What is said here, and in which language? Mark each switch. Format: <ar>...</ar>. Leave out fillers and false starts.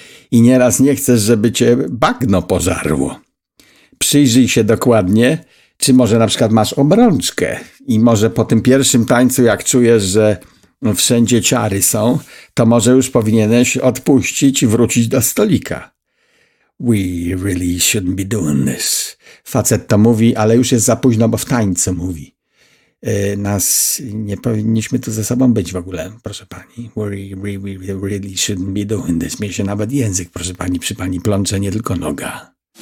<pl>I nieraz nie chcesz, żeby cię bagno pożarło. Przyjrzyj się dokładnie, czy może na przykład masz obrączkę i może po tym pierwszym tańcu, jak czujesz, że wszędzie ciary są, to może już powinieneś odpuścić i wrócić do stolika.</pl> <en>We really shouldn't be doing this.</en> <pl>Facet to mówi, ale już jest za późno, bo w tańcu mówi. Nas nie powinniśmy tu ze sobą być w ogóle, proszę pani.</pl> <en>We really shouldn't be doing this.</en> <pl>Mnie się nawet język, proszę pani, przy pani plącze, nie tylko noga.</pl>